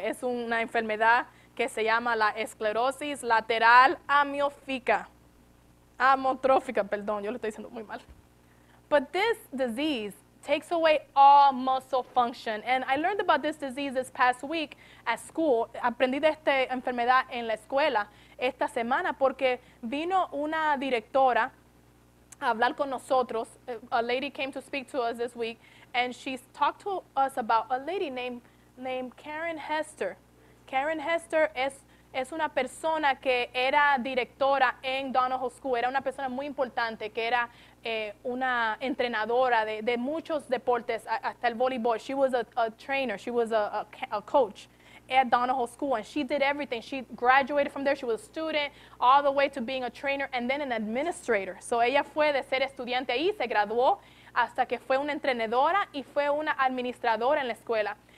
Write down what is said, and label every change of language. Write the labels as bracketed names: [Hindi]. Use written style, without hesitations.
[Spanish] Es una enfermedad que se llama la esclerosis lateral amiofica. Amotrófica, perdón, yo lo estoy diciendo muy mal. [English] But this disease takes away all muscle function. And I learned about this disease this past week at school. [Spanish] Aprendí de esta enfermedad en la escuela esta semana porque vino una directora a hablar con nosotros. [English] A lady came to speak to us this week, and she talked to us about a lady named Karen Hester. [Spanish] Karen Hester es una persona que era directora en Donahoe School. Era una persona muy importante, que era una entrenadora de muchos deportes, hasta el voleibol. [English] She was a trainer. She was a coach at Donahoe School, and she did everything. She graduated from there. She was a student all the way to being a trainer and then an administrator. [Spanish] So ella fue de ser estudiante ahí, se graduó, hasta que fue una entrenadora y fue una administradora en la escuela.